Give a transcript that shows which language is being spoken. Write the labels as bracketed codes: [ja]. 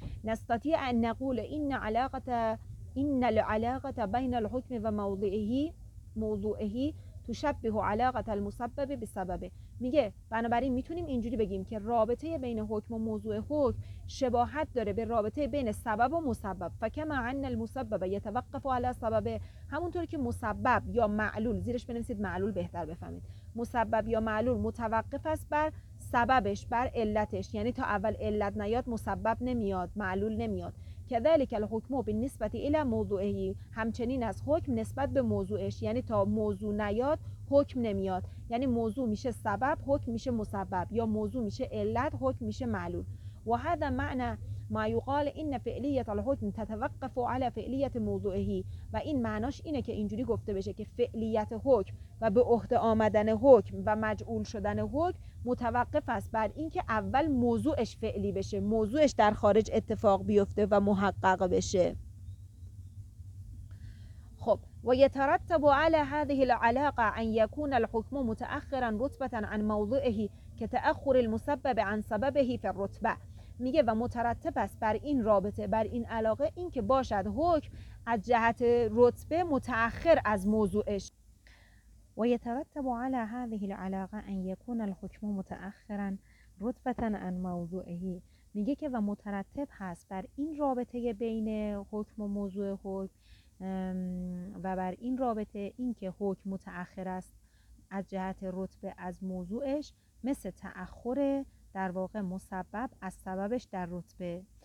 [ar] نستطيع ان نقول ان العلاقه بين الحكم وموضعه تشبه علاقه المسبب بسببه. [fa] میگه بنابراین میتونیم اینجوری بگیم که رابطه بین حکم و موضوع حکم شباهت داره به رابطه بین سبب و مسبب. [ar] فکما ان المسبب يتوقف على سببه، [fa] همونطور که مسبب یا معلول، زیرش بنویسید معلول بهتر بفهمید، مسبب یا معلول متوقف است بر سببش، بر علتش. یعنی تا اول علت نیاد مسبب نمیاد، معلول نمیاد. [ar] كذلك الحكم بالنسبه الى موضوعه، [fa] همچنین از حکم نسبت به موضوعش، یعنی تا موضوع نیاد حکم نمیاد. یعنی موضوع میشه سبب، حکم میشه مسبب، یا موضوع میشه علت، حکم میشه معلول. [ar] و هذا معنى ما يقال ان فعلیت الحكم تتوقف على فعلیت موضوعه. [fa] و این معناش اینه که اینجوری گفته بشه که فعلیت حکم و به عهده آمدن حکم و مجعول شدن حکم متوقف است بر اینکه اول موضوعش فعلی بشه، موضوعش در خارج اتفاق بیفته و محقق بشه. [ar] خب و يترتب على هذه العلاقه ان يكون الحكم متاخرا رتبه عن موضعه كتاخر المسبب عن سببه في الرتبه. [fa] میگه و مترتب است بر این رابطه، بر این علاقه، این که باشد حکم از جهت رتبه متاخر از موضوعش. [ar] و يترتب على هذه العلاقه ان يكون الحكم متاخرا رتبه عن موضعه. [fa] میگه که و مترتب هست بر این رابطه بین حکم و موضوع حکم و بر این رابطه اینکه حکم متأخر است از جهت رتبه از موضوعش، مثل تأخر در واقع مسبب از سببش در رتبه.